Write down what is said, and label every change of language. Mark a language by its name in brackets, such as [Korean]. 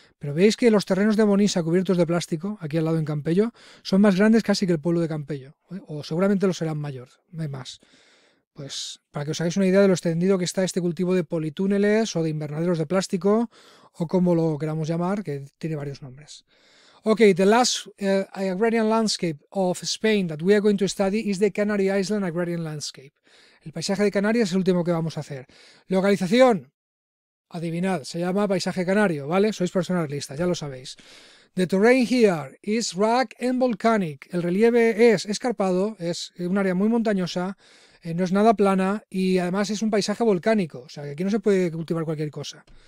[Spanish] Pero veis que los terrenos de Bonisa cubiertos de plástico, aquí al lado en Campello, son más grandes casi que el pueblo de Campello, o seguramente lo serán mayor, no más. Pues para que os hagáis una idea de lo extendido que está este cultivo de politúneles o de invernaderos de plástico, o como lo queramos llamar, que tiene varios nombres. [English] Ok, the last agrarian landscape of Spain that we are going to study is the Canary Island Agrarian Landscape. [Spanish] El paisaje de Canarias es el último que vamos a hacer. Localización, adivinad, se llama paisaje canario, ¿vale? Sois personas listas, ya lo sabéis. [English] The terrain here is rugged and volcanic. [Spanish] El relieve es escarpado, es un área muy montañosa, no es nada plana y además es un paisaje volcánico, o sea que aquí no se puede cultivar cualquier cosa.